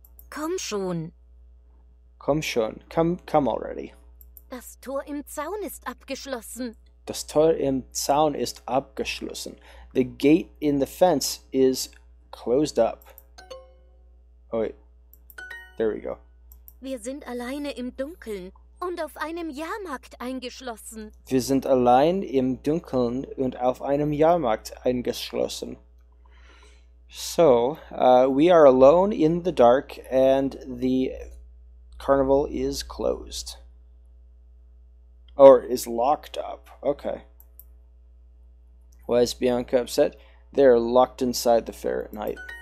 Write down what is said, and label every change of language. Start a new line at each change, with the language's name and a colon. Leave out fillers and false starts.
German: Komm schon. Komm schon.
English: Come already.
German: Das Tor im Zaun ist abgeschlossen. Das Tor im Zaun ist abgeschlossen.
English: The gate in the fence is closed up. Oh wait. There we go.
German: Wir sind alleine im Dunkeln und auf einem Jahrmarkt eingeschlossen. Wir sind allein im Dunkeln und auf einem Jahrmarkt eingeschlossen.
English: So, we are alone in the dark and the carnival is closed. Or is locked up. Okay. Why is Bianca upset? They're locked inside the fair at night.